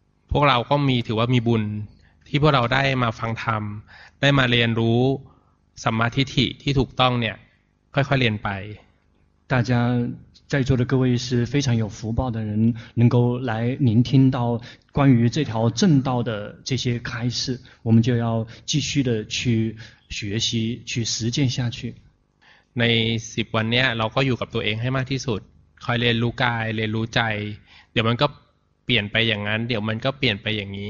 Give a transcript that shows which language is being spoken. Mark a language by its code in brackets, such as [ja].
[th] พวกเราก็มีถือว่ามีบุญที่พวกเราได้มาฟังธรรมได้มาเรียนรู้สัมมาทิฏฐิที่ถูกต้องเนี่ยค่อยๆเรียนไป [zh] 大家在座的各位是非常有福报的人，能够来聆听到关于这条正道的这些开示，我们就要继续的去学习，去实践下去。 [th] ใน10วันเนี้ยเราก็อยู่กับตัวเองให้มากที่สุดคอยเรียนรู้กายเรียนรู้ใจเดี๋ยวมันก็เปลี่ยนไปอย่างนั้นเดี๋ยวมันก็เปลี่ยนไปอย่างนี